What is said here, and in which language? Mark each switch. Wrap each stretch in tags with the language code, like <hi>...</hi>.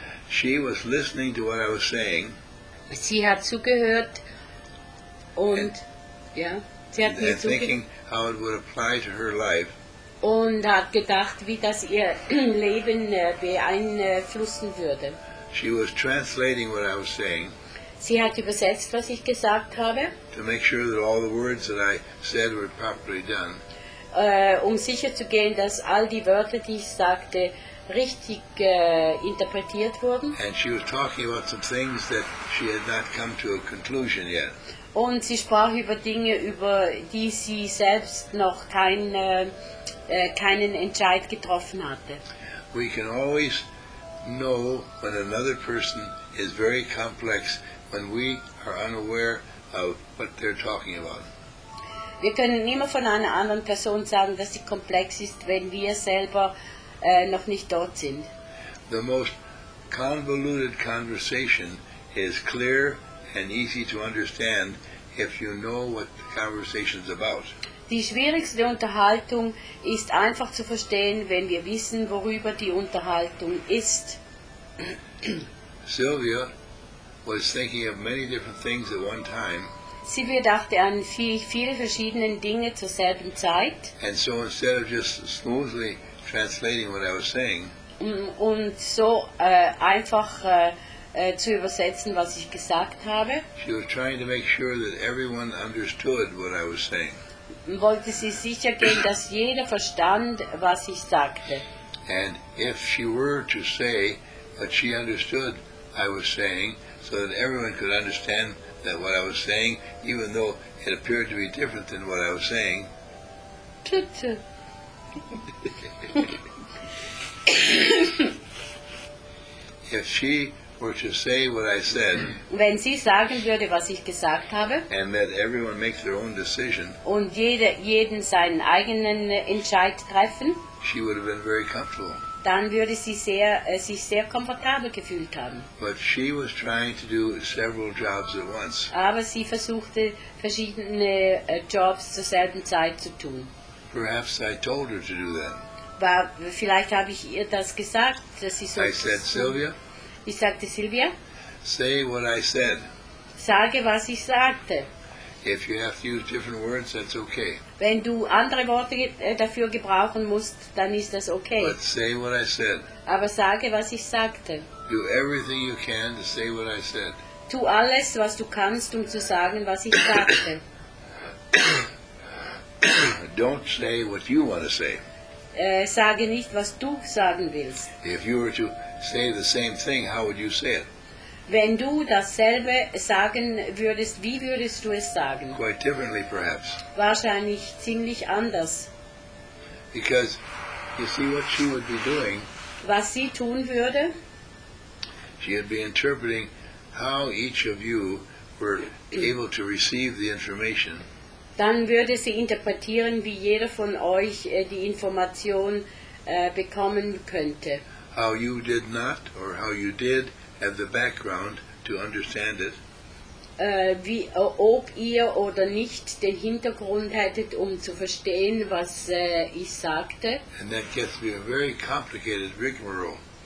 <en>She was listening to what I was saying.</en> <de>Sie hat zugehört und ja, sie hat mir</de> <en>thinking how it would apply to her life.</en> <de>Und hat gedacht, wie das ihr Leben beeinflussen würde.</de> <en>She was translating what I was saying.</en> <de>Sie hat übersetzt, was ich gesagt habe.</de> <en>To make sure that all the words that I said were properly done.</en> <de>Um sicherzugehen, dass all die Wörter, die ich sagte, richtig interpretiert wurden.</de> <en>And she was talking about some things that she had not come to a conclusion yet.</en> <de>Und sie sprach über Dinge, über die sie selbst noch keinen Entscheid getroffen hatte.</de> <en>We can always know when another person is very complex when we are unaware of what they're talking about.</en> <de>Wir können immer von einer anderen Person sagen, dass sie komplex ist, wenn wir selber noch nicht dort sind.</de> <en>The most convoluted conversation is clear and easy to understand if you know what the conversation is about.</en> <de>Die schwierigste Unterhaltung ist einfach zu verstehen, wenn wir wissen, worüber die Unterhaltung ist.</de> <en>Sylvia was thinking of many different things at one time.</en> <de>Sylvia dachte an viele verschiedene Dinge zur selben Zeit.</de> <en>And so instead of just smoothly translating what I was saying,</en> <de>und so einfach zu übersetzen, was ich gesagt habe.</de> <en>She was trying to make sure that everyone understood what I was saying.</en> <de>Wollte sie sicher gehen, dass jeder verstand, was ich sagte.</de> <en>And if she were to say that she understood I was saying, so that everyone could understand that what I was saying, even though it appeared to be different than what I was saying. Tutu. If she were to say what I said,</en> <de>wenn sie sagen würde, was ich gesagt habe,</de> <en>and let everyone make their own decision,</en> <de>und jeden seinen eigenen Entscheid treffen,</de> <en>she would have been very comfortable.</en> <de>Dann würde sie sich sehr komfortabel gefühlt haben.</de> <en>But she was trying to do several jobs at once.</en> <de>Aber sie versuchte verschiedene Jobs zur selben Zeit zu tun.</de> <en>Perhaps I told her to do that.</en> <de>Vielleicht habe ich ihr das gesagt, dass sie so.</de> <en>I said, Sylvia.</en> <de>Ich sagte, Sylvia.</de> <en>Say what I said.</en> <de>Sage, was ich sagte.</de> <en>If you have to use different words, that's okay.</en> <de>Wenn du andere Worte dafür gebrauchen musst, dann ist das okay.</de> <en>But say what I said.</en> <de>Aber sage, was ich sagte.</de> <en>Do everything you can to say what I said.</en> <de>Tu alles, was du kannst, um zu sagen, was ich sagte.</de> <en>Don't say what you want to say.</en> <de>Sage nicht, was du sagen willst.</de> <en>If you were to say the same thing, how would you say it?</en> <de>Wenn du dasselbe sagen würdest, wie würdest du es sagen?</de> <en>Quite differently, perhaps.</en> <de>Wahrscheinlich ziemlich anders.</de> <en>Because you see what she would be doing.</en> <de>Was sie tun würde?</de> <en>She would be interpreting how each of you were able to receive the information.</en> <de>Dann würde sie interpretieren, wie jeder von euch die Information bekommen könnte.</de> <en>How you did not, or how you did, have the background to understand it.</en> <de>Ob ihr oder nicht den Hintergrund hättet, um zu verstehen, was ich sagte.</de> <en>And that gets to be a very complicated rigmarole.</en>